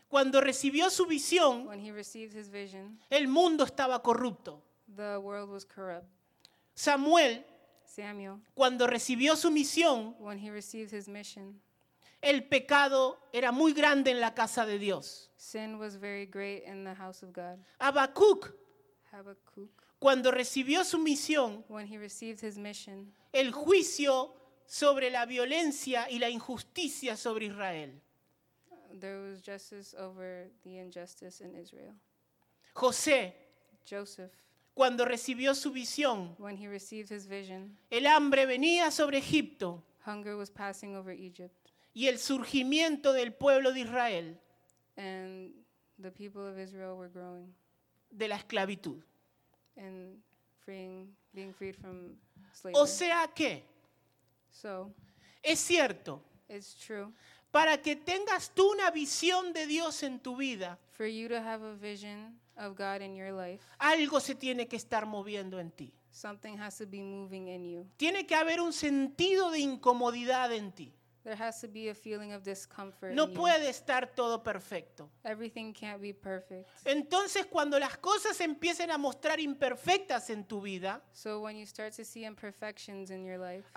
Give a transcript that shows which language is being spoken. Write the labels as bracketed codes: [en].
[es] cuando recibió su visión, [en] when he received his vision, [es] el mundo estaba corrupto. [en] The world was corrupt. [es] Samuel, [en] Samuel, [es] cuando recibió su misión, [en] when he received his mission, [es] el pecado era muy grande en la casa de Dios. [en] Sin was very great in the house of God. [es] Habacuc. Cuando recibió su misión, [en] when he received his mission, [es] el juicio sobre la violencia y la injusticia sobre Israel. [en] There was justice over the injustice in Israel. [es] José, [en] Joseph, [es] cuando recibió su visión, [en] when he received his vision, [es] el hambre venía sobre Egipto, [en] hunger was passing over Egypt, [es] y el surgimiento del pueblo de Israel, [en] and the people of Israel were growing, [es] de la esclavitud. [en] And freeing, being freed from slavery. [es] O sea que, [en] so, [es] es cierto, [en] it's true, [es] para que tengas tú una visión de Dios en tu vida, [en] for you to have a vision of God in your life, [es] algo se tiene que estar moviendo en ti. [en] Something has to be moving in you. [es] Tiene que haber un sentido de incomodidad en ti. [en] There has to be a feeling of discomfort. [es] No puede estar todo perfecto. [en] Everything can't be perfect. [es] Entonces, cuando las cosas empiecen a mostrar imperfectas en tu vida, [en] so when you start to see imperfections in your life,